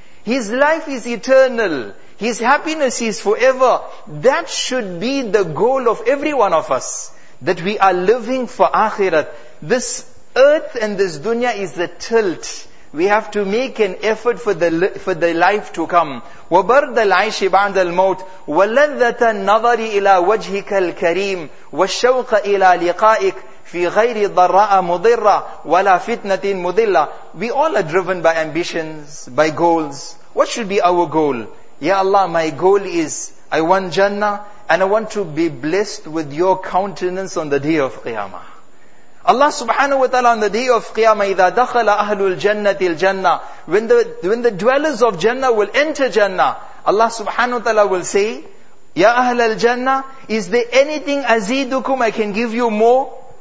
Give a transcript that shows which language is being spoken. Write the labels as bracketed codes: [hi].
[en] His life is eternal. His happiness is forever. That should be the goal of every one of us. That we are living for akhirat. This earth and this dunya is the tilt. We have to make an effort for the life to come. [ar] وَبَرْدَ الْعَيْشِ بَعْدَ الْمَوْتِ وَلَذَّةَ النَّظَرِ إِلَىٰ وَجْهِكَ الْكَرِيمِ وَالشَّوْقَ إِلَىٰ لِقَائِكَ فِي غَيْرِ ضَرَّاءَ مُضِرَّةَ وَلَا فِتْنَةٍ مُضِلَّةَ [en] We all are driven by ambitions, by goals. What should be our goal? Ya Allah, my goal is, I want Jannah, and I want to be blessed with your countenance on the day of Qiyamah. Allah subhanahu wa ta'ala on the day of Qiyamah, [ar] إِذَا دَخَلَ أَهْلُ الْجَنَّةِ الْجَنَّةِ [en] When the dwellers of Jannah will enter Jannah, Allah subhanahu wa ta'ala will say, Ya [ar] أَهْلَ الْجَنَّةِ [en] Is there anything [ar] أَزِيدُكُمْ [en] I can give you more?